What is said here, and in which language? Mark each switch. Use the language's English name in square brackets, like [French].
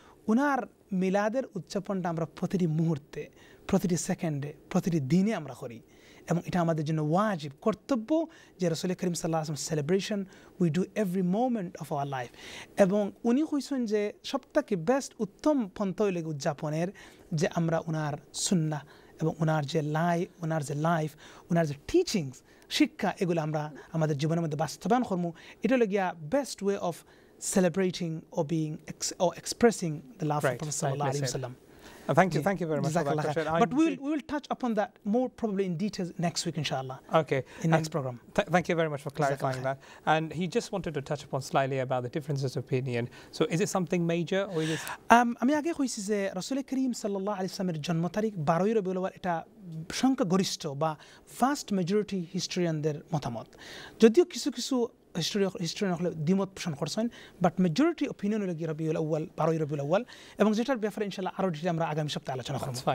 [Bangla] ওনার মিলাদের উদযাপনটা আমরা প্রতিটি মুহূর্তে প্রতিটি সেকেন্ডে প্রতিটি দিনে আমরা করি এবং এটা আমাদের জন্য ওয়াজিব কর্তব্য যে রসুল করিম সাল্লাল্লাহু আলাইহি [English] celebration we do every moment of our life [Bangla] এবং উনি কইছেন যে সবথেকে বেস্ট উত্তম পন্থা হইলে উদযাপনের যে আমরা ওনার সুন্নাহ এবং ওনার যে লাইফ ওনার যে টিচিংস শিক্ষা এগুলো আমরা আমাদের জীবনের মধ্যে বাস্তবায়ন করবো এটা লাগিয়া [English] best way of celebrating ও being ও expressing the love of prophet [Bangla] সাল্লাল্লাহু আলাইহি ওয়াসাল্লাম [English] Thank you very much for that question. But we will touch upon that more probably in detail next week, inshallah. Okay. In next program. Thank you very much for clarifying that. And he just wanted to touch upon slightly about the differences of opinion. So is it something major or is it... [Bangla] আমি আগে কইছি যে রাসূলের করিম সাল্লাল্লাহু আলাইহি সাল্লামের জন্ম তারিখ 12ই রবিউল আউয়াল এটা সংখ্যাগরিষ্ঠ বা ভাস্ট মেজরিটি হিস্টোরিয়ানদের মতামত যদিও কিছু কিছু হিস্টোরিয়ানসকলে দ্বিমত পোষণ করছেন [English] but majority opinion [Bangla] হলো রবিউল আউয়াল 12ই রবিউল আউয়াল এবং যেটার ব্যাপারে ইনশাআল্লাহ আরও ডিটেল আমরা আগামী সপ্তাহে আলোচনা করবো